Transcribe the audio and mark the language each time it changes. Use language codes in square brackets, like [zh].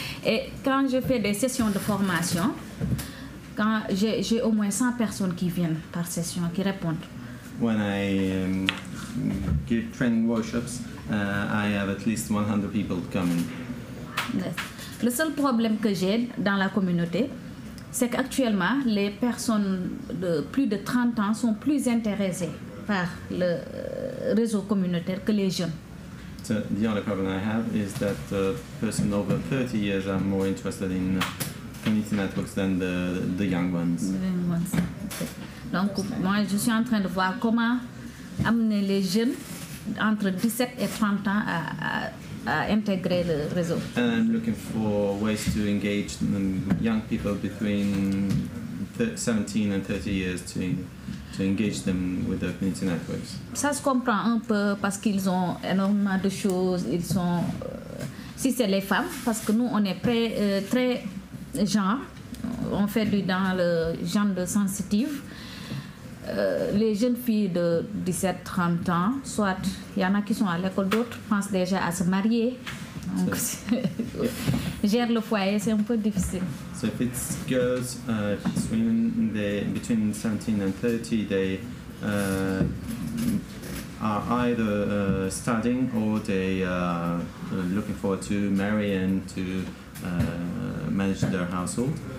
[fr] Et quand je fais des sessions de formation, quand j'ai au moins 100 personnes qui viennent par session, qui répondent. [en] When I give training workshops, I have at least 100 people coming. Yes. [fr] Le seul problème que j'ai dans la communauté, c'est qu'actuellement, les personnes de plus de 30 ans sont plus intéressées par le réseau communautaire que les jeunes. [en] So the only problem I have is that persons over 30 years are more interested in community networks than the young ones. [fr] Donc, moi, je suis en train de voir comment amener les jeunes entre 17 et 30 ans à intégrer le réseau. [en] And I'm looking for ways to engage young people between 17 and 30 years to engage them with the community networks. [fr] Ça se comprend un peu parce qu'ils ont énormément de choses. Ils sont, si c'est les femmes, parce que nous on est très genre, on fait du dans le genre de sensitive. Les jeunes filles de 17-30 ans, soit il y en a qui sont à l'école, d'autres pensent déjà à se marier. Donc, so, gère le foyer, c'est un peu difficile. [en] So if it's girls, between 17 and 30, they are either studying or they are looking forward to marry and to manage their household.